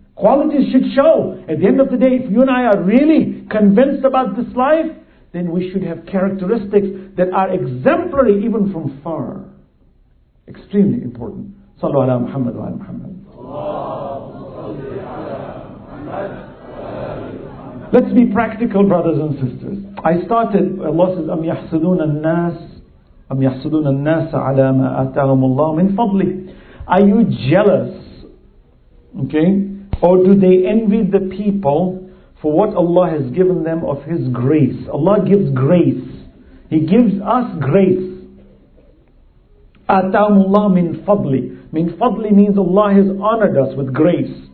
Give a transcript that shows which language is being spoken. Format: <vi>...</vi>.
<en>Qualities should show. At the end of the day, if you and I are really convinced about this life, then we should have characteristics that are exemplary even from far. Extremely important. Sallu ala Muhammad wa ala Muhammad. Let's be practical, brothers and sisters. I started, Allah says,</en> <ar>أَمْ يَحْسُدُونَ النَّاسَ أَمْ يَحْسُدُونَ النَّاسَ عَلَى مَا آتَاهُمُ اللَّهُ مِنْ فَضْلِ.</ar> <en>Are you jealous? Okay? Or do they envy the people for what Allah has given them of His grace? Allah gives grace. He gives us grace.</en> <ar>آتَاهُمُ اللَّهُ مِنْ فَضْلِ. مِنْ فَضْلِ</ar> <en>means Allah has honored us with grace.</en>